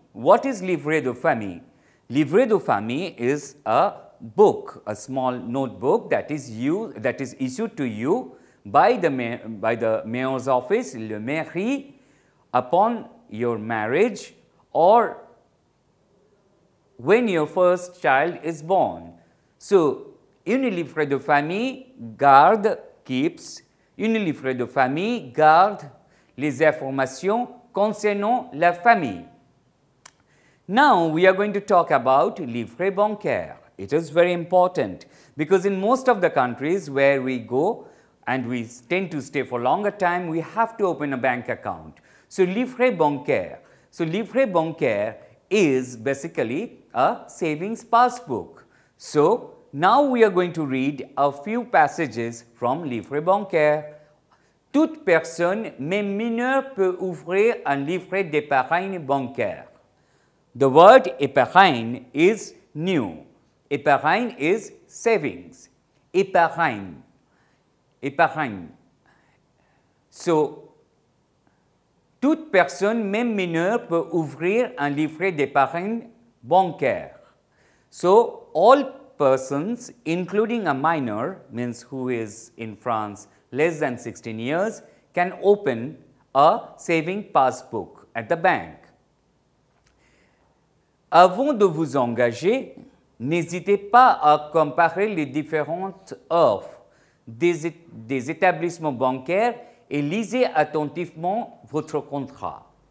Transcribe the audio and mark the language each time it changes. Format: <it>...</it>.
<en>What is livret de famille? Livret de famille is a book, a small notebook that is issued to you by the mayor's office, le mairie, upon your marriage or when your first child is born.</en> <fr>So, une livret de famille garde, keeps, une livret de famille garde les informations concernant la famille.</fr> <en>Now, we are going to talk about livret bancaire. It is very important because in most of the countries where we go and we tend to stay for longer time, we have to open a bank account. Ce livret bancaire. Ce livret bancaire is basically a savings passbook. So now we are going to read a few passages from Livret bancaire.</en> <fr>Toute personne, même mineure, peut ouvrir un livret d'épargne bancaire.</fr> <en>The word épargne is new. Épargne is savings. Épargne. Épargne.</en> <fr>So, toute personne, même mineure, peut ouvrir un livret d'épargne bancaire.</fr> <en>So, all persons, including a minor, means who is in France less than 16 years, can open a saving passbook at the bank.</en> <fr>Avant de vous engager, n'hésitez pas à comparer les différentes offres des établissements bancaires et lisez attentivement votre contrat.</fr>